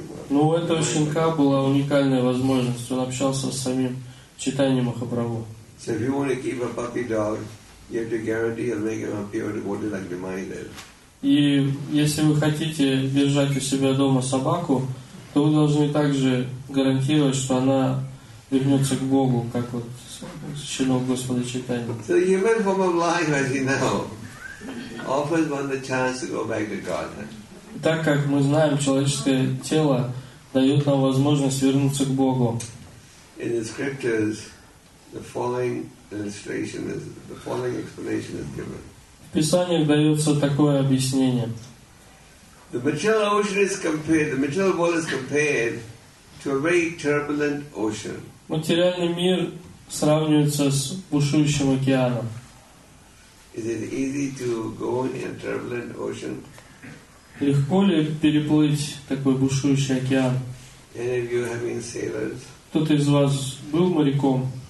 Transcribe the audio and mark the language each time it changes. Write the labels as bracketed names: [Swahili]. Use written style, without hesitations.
[Russian] Но у этого щенка была уникальная возможность. Он общался с самим Чайтанья Махапрабху. [English] So if you want to keep a puppy dog, you have to guarantee you'll make him appear to body like the mind is. [Russian] И если вы хотите держать у себя дома собаку, то вы должны также гарантировать, что она вернется к Богу, как вот щенок Господа Чайтанья. [English] So the human form of life, as you know, offers one the chance to go back to God. [Russian] Так как мы знаем, человеческое тело дает нам возможность вернуться к Богу. [English] In the scriptures, the following explanation is given. [Russian] В Писаниях дается такое объяснение. [English] The material ocean is compared, the material world is compared to a very turbulent ocean. [Russian] Материальный мир сравнивается с бушующим океаном. [English] Is it easy to go in a turbulent ocean? [Russian] Легко ли переплыть такой бушующий океан? [English] Any of you have been sailors? [Russian] Кто-то из вас был моряком?